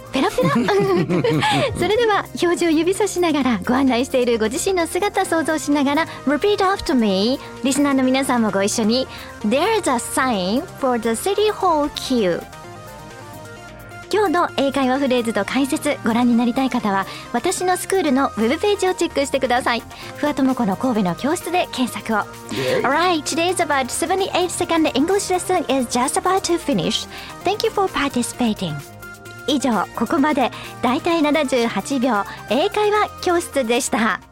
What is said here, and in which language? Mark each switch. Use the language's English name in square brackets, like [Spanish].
[Japanese] ペラペラそれでは表示を指差しながら、ご案内しているご自身の姿想像しながら [English] Repeat after me。 [Japanese] リスナーの皆さんもご一緒に。 [English] There's a sign for the city hall queue。 [Japanese] 今日の英会話フレーズと解説ご覧になりたい方は、私のスクールのウェブページをチェックしてください。ふわともこの神戸の教室で検索を。 [English] Alright, today's about 78 second English lesson is just about to finish. Thank you for participating. [Japanese] 以上、ここまで大体78秒英会話教室でした。